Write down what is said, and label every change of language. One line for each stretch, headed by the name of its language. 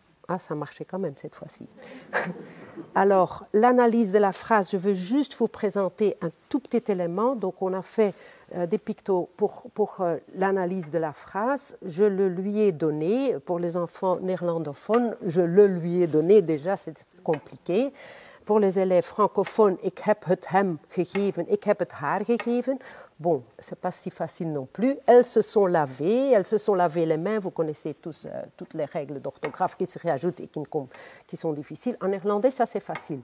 French: Ah, ça marchait quand même cette fois-ci. Alors, l'analyse de la phrase, je veux juste vous présenter un tout petit élément. Donc, on a fait des pictos pour l'analyse de la phrase. Je le lui ai donné, pour les enfants néerlandophones, je le lui ai donné, déjà, c'est compliqué. Pour les élèves francophones,
Dutch: ik heb het hem gegeven, ik heb het haar gegeven.
French: Bon, c'est pas si facile non plus. Elles se sont lavées les mains. Vous connaissez tous toutes les règles d'orthographe qui se réajoutent et qui sont difficiles. En néerlandais, ça c'est facile.